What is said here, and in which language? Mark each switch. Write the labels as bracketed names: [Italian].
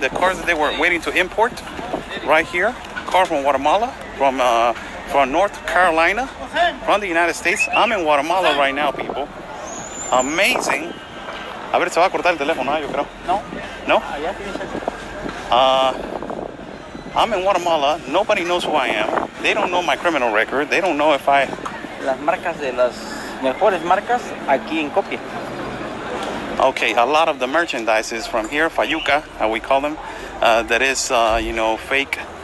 [English] The cars that they were waiting to import right here. Car from Guatemala, from North Carolina, from the United States. I'm in Guatemala right now, people. Amazing. [Spanish] A ver, se va a cortar el teléfono, yo creo. No. No? [English] Yeah, I'm in Guatemala. Nobody knows who I am. They don't know my criminal record. They don't know if I... [Spanish] Las marcas de las mejores marcas aquí en Copia. [English] Okay, a lot of the merchandise is from here, Fayuca, how we call them, that is, you know, fake.